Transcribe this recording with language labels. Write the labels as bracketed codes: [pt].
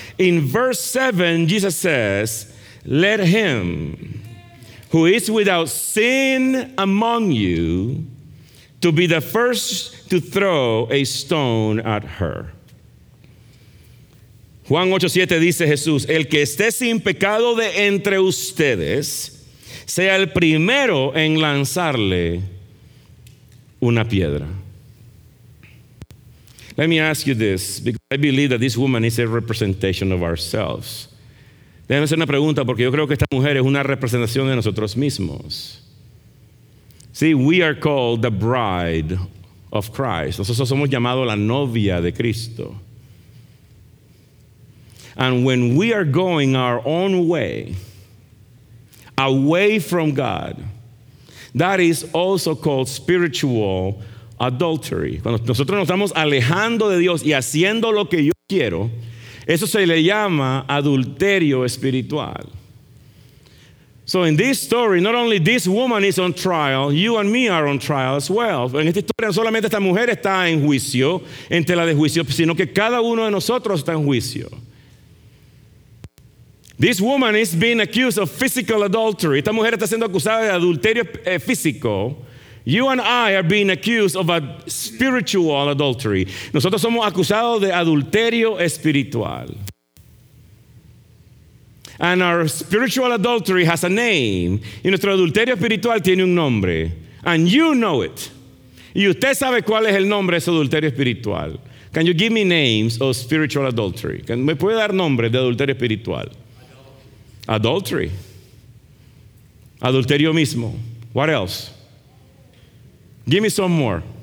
[en] In verse 7, Jesus says, "Let him who is without sin among you to be the first to throw a stone at her." [es] Juan 8:7 dice Jesús, "El que esté sin pecado de entre ustedes, sea el primero en lanzarle una piedra." [en] Let me ask you this, because I believe that this woman is a representation of ourselves. [es] Déjame hacer una pregunta, porque yo creo que esta mujer es una representación de nosotros mismos. [en] See, we are called the bride of Christ. [es] Nosotros somos llamados la novia de Cristo. [en] And when we are going our own way, away from God, that is also called spiritual adultery. [es] Cuando nosotros nos estamos alejando de Dios y haciendo lo que yo quiero, eso se le llama adulterio espiritual. [en] So in this story, not only this woman is on trial, you and me are on trial as well. [es] En esta historia, no solamente esta mujer está en juicio, en tela de juicio, sino que cada uno de nosotros está en juicio. [en] This woman is being accused of physical adultery. [es] Esta mujer está siendo acusada de adulterio físico. [en] You and I are being accused of a spiritual adultery. [es] Nosotros somos acusados de adulterio espiritual. [en] And our spiritual adultery has a name. [es] Y nuestro adulterio espiritual tiene un nombre. [en] And you know it. [es] Y usted sabe cuál es el nombre de ese adulterio espiritual. [en] Can you give me names of spiritual adultery? [es] ¿Me puede dar nombre de adulterio espiritual? [en] Adultery. [es] Adulterio mismo. [en] What else? Give me some more.